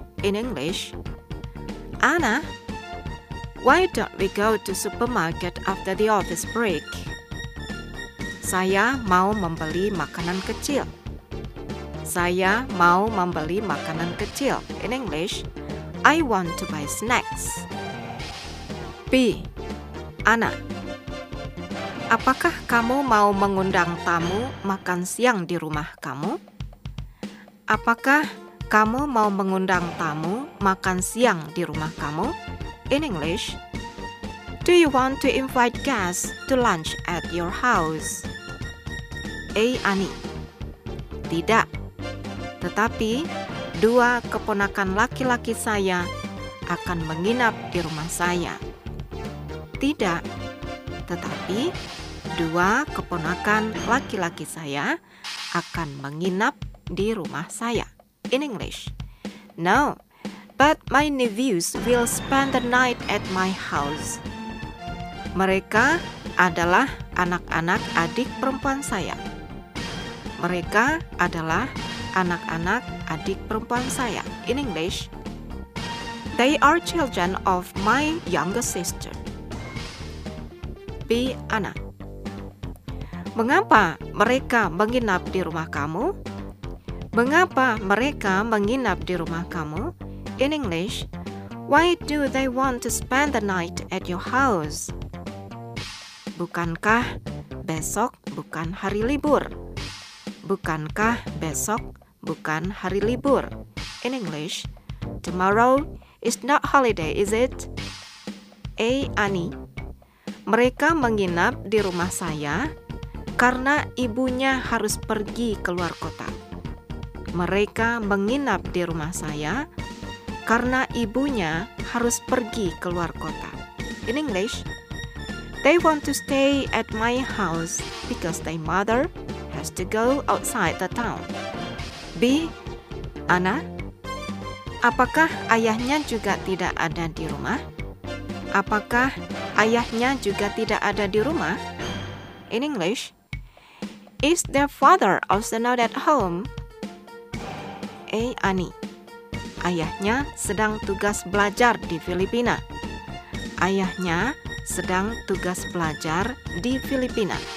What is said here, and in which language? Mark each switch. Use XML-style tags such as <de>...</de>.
<en>In English, Anna, why don't we go to supermarket after the office break?</en> <id>Saya mau membeli makanan kecil. Saya mau membeli makanan kecil.</id> <en>In English, I want to buy snacks. B.</en> <id>Anna, apakah kamu mau mengundang tamu makan siang di rumah kamu? Apakah kamu mau mengundang tamu makan siang di rumah kamu?</id> <en>In English, do you want to invite guests to lunch at your house?</en> <id>A. Ani, tidak. Tetapi, dua keponakan laki-laki saya akan menginap di rumah saya. Tidak, tetapi dua keponakan laki-laki saya akan menginap di rumah saya.</id> <en>In English, no, but my nephews will spend the night at my house.</en> <id>Mereka adalah anak-anak adik perempuan saya. Mereka adalah anak-anak adik perempuan saya.</id> <en>In English, they are children of my younger sister.</en> <id>Anna, mengapa mereka menginap di rumah kamu? Mengapa mereka menginap di rumah kamu?</id> <en>In English, why do they want to spend the night at your house?</en> <id>Bukankah besok bukan hari libur? Bukankah besok bukan hari libur?</id> <en>In English, tomorrow is not holiday, is it?</en> <id>A. Ani, mereka menginap di rumah saya karena ibunya harus pergi keluar kota. Mereka menginap di rumah saya karena ibunya harus pergi keluar kota.</id> <en>In English, they want to stay at my house because their mother has to go outside the town. B.</en> <id>Anna, apakah ayahnya juga tidak ada di rumah? Apakah ayahnya juga tidak ada di rumah?</id> <en>In English, is their father also not at home?</en> <id>A. Ani, ayahnya sedang tugas belajar di Filipina. Ayahnya sedang tugas belajar di Filipina.</id>